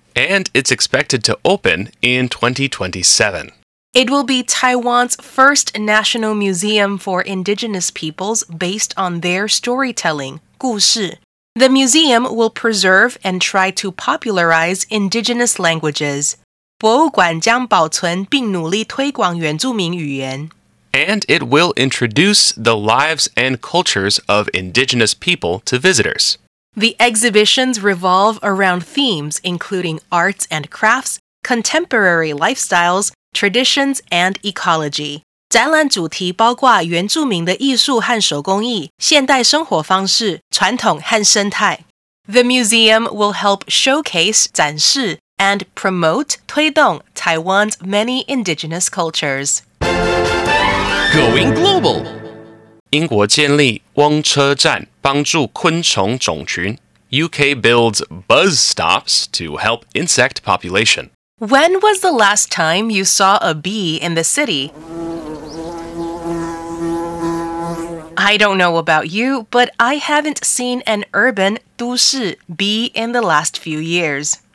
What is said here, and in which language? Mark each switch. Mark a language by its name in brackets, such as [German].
[English] And it's expected to open in 2027. It will be Taiwan's first national museum for indigenous peoples based on their storytelling, 故事. The museum will preserve and try to popularize indigenous languages. [Chinese] 博物馆将保存并努力推广原住民语言. [English] And it will introduce the lives and cultures of indigenous people to visitors. The exhibitions revolve around themes including arts and crafts, contemporary lifestyles, traditions, and ecology. [Chinese] 展览主题包括原住民的艺术和手工艺、现代生活方式、传统和生态。 [English] The museum will help showcase 展示 and promote 推动 Taiwan's many indigenous cultures. Going global! [Chinese] 英国建立翁车站帮助昆虫种群。 [English] UK builds buzz stops to help insect population. When was the last time you saw a bee in the city? I don't know about you, but I haven't seen an urban 都市 bee in the last few years.